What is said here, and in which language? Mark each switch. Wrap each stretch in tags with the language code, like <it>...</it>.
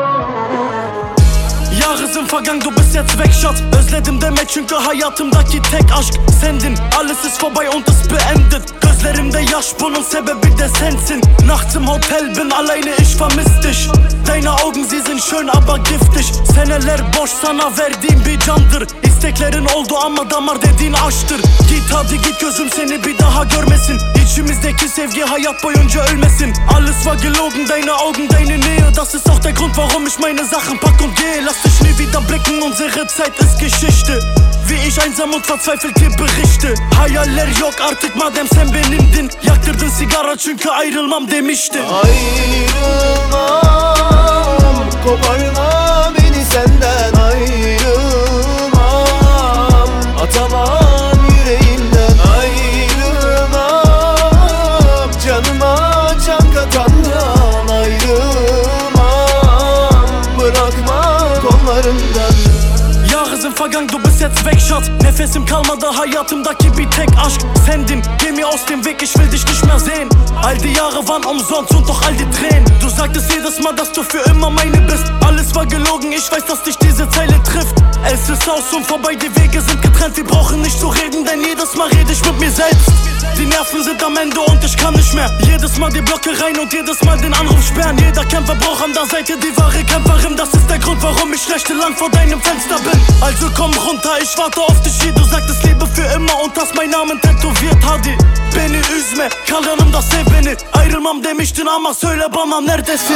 <de>kafa gang du bist jetzt weg Schatz.</de> <tr>Özledim deme çünkü hayatımdaki tek aşk sendin.</tr> <de>Alles ist vorbei und es beendet.</de> <tr>Gözlerimde yaş bunun sebebi de sensin.</tr> <de>Nachts im Hotel bin alleine ich vermiss dich. Deine Augen sie sind schön aber giftig.</de> <tr>Seneler boş sana verdiğim bir candır. İsteklerin oldu ama damar dediğin aştır. Git hadi git gözüm seni bir daha görmesin. İçimizdeki sevgi hayat boyunca ölmesin.</tr> <de>Alles war gelogen, deine Augen, deine Nähe. Das ist auch der Grund warum ich meine Sachen pack und gehe. Lass dich nie wieder blicken, unsere Zeit ist Geschichte. Wie ich einsam und verzweifelt dir berichte.</de> <tr>Hayaller yok artık madem sen benimdin. Yaktırdın sigara çünkü ayrılmam demiştin. Ayrılmam, koparma beni senden. Ayrılmam, atamam yüreğimden. Ayrılmam, canıma can katandan. Ayrılmam, bırakma kollarından.</tr> <de>Yağızın fagang du bist jetzt weg Schatz.</de> <tr>Nefesim kalmadı hayatımdaki bir tek aşk sendin.</tr> <de>Geh mir aus dem Weg, ich will dich nicht mehr sehen. All die Jahre waren umsonst und doch all die Tränen. Du sagtest jedes Mal, dass du für immer meine bist. Alles war gelogen, ich weiß, dass dich diese Zeile trifft. Es ist aus und vorbei, die Wege sind getrennt. Wir brauchen nicht zu reden, denn jedes Mal rede ich mit mir selbst. Die Nerven sind am Ende und ich kann nicht mehr. Jedes Mal die Blöcke rein und jedes Mal den Anruf sperren. Jeder Kämpfer braucht an der Seite die wahre Kämpferin. Das ist der Grund, warum ich schlechte lang vor deinem Fenster bin. Also komm runter, ich warte auf dich hier. Du sagtest Liebe für immer und hast meinen Namen tätowiert.</de> <tr>Hadi, beni üzme, kalanım da sev beni. Ayrılmam demiştin ama söyle bana neredesin.</tr>